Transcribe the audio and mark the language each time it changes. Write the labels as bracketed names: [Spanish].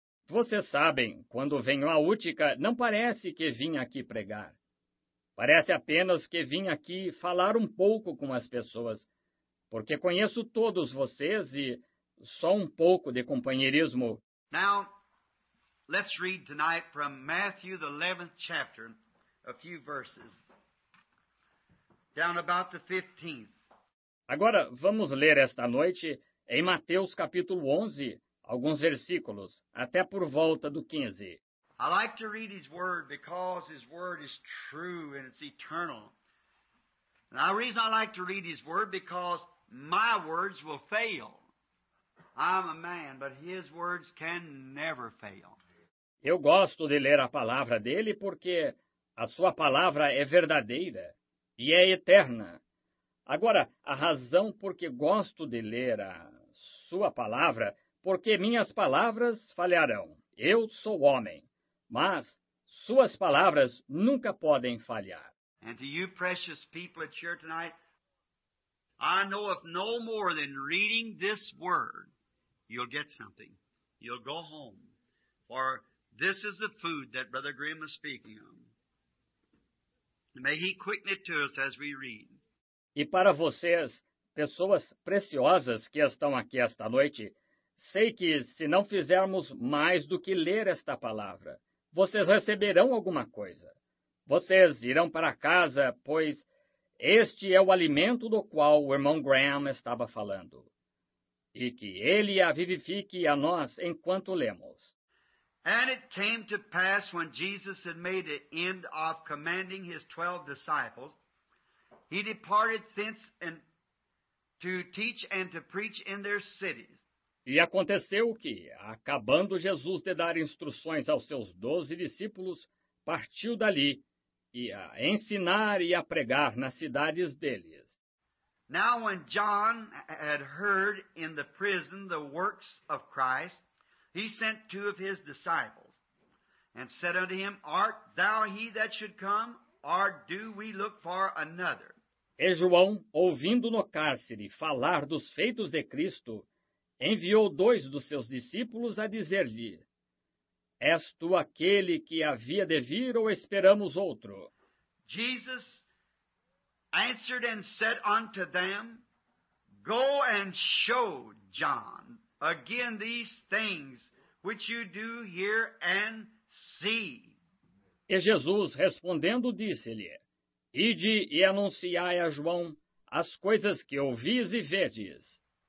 [Portuguese] Vocês sabem, quando venho a Utica, não parece que vim aqui pregar. Parece apenas que vim aqui falar um pouco com as pessoas, porque conheço todos vocês e só um pouco de companheirismo. [English] Now, let's read tonight from Matthew, the 11th chapter, a few verses, down about the 15th. [Portuguese] Agora, vamos ler esta noite em Mateus, capítulo 11, alguns versículos, até por volta do 15. [English] I like to read His Word because His Word is true and it's eternal. And the reason I like to read His Word because my words will fail. I'm a man, but His words can never fail. [Portuguese] Eu gosto de ler a palavra dEle porque a sua palavra é verdadeira e é eterna. Agora, a razão porque gosto de ler a sua palavra, porque minhas palavras falharão. Eu sou homem. Mas suas palavras nunca podem falhar. [English] And to you precious people that's here tonight, I know if no more than reading this word, you'll get something. You'll go home. For this is the food that Brother Graham is speaking of. May he quicken it to us as we read. [Portuguese] E para vocês, pessoas preciosas que estão aqui esta noite, sei que se não fizermos mais do que ler esta palavra, vocês receberão alguma coisa. Vocês irão para casa, pois este é o alimento do qual o irmão Graham estava falando. E que ele a vivifique a nós enquanto lemos. [English] And it came to pass when Jesus had made the end of commanding his 12 disciples, he departed thence and to teach and to preach in their cities. [Portuguese] E aconteceu que, acabando Jesus de dar instruções aos seus 12 discípulos, partiu dali e a ensinar e a pregar nas cidades deles. [English] Now when John had heard in the prison the works of Christ, he sent two of his disciples and said unto him, Art thou he that should come, or do we look for another? [Portuguese] E João, ouvindo no cárcere falar dos feitos de Cristo, enviou dois dos seus discípulos a dizer-lhe, És tu aquele que havia de vir ou esperamos outro? [English] Jesus answered and said unto them, Go and show John again these things which you do hear and see. [Portuguese] E Jesus respondendo disse-lhe, Ide e anunciai a João as coisas que ouvis e vedes.